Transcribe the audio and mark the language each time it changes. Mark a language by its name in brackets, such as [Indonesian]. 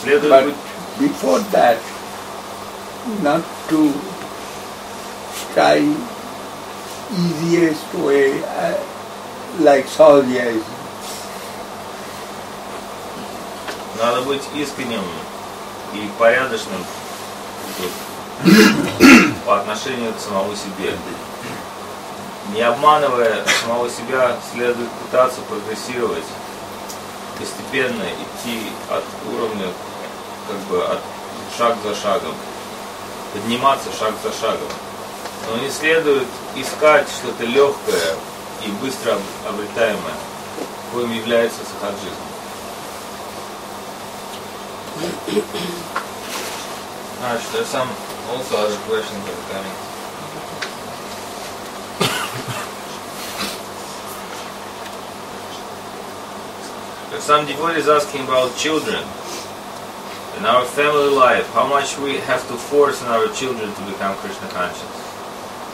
[English] But before that, not to try easiest way, like Sahajiyas. [Russian] Надо быть искренним и порядочным по отношению к самому себе. Не обманывая самого себя, следует пытаться прогрессировать, постепенно идти от уровня, как бы от шаг за шагом, подниматься шаг за шагом. Но не следует искать что-то легкое и быстро обретаемое, коим является сахаджизм. [English] Значит, there's some also other questions that are coming. Some devotees asking about children in our family life, how much we have to force in our children to become Krishna conscious.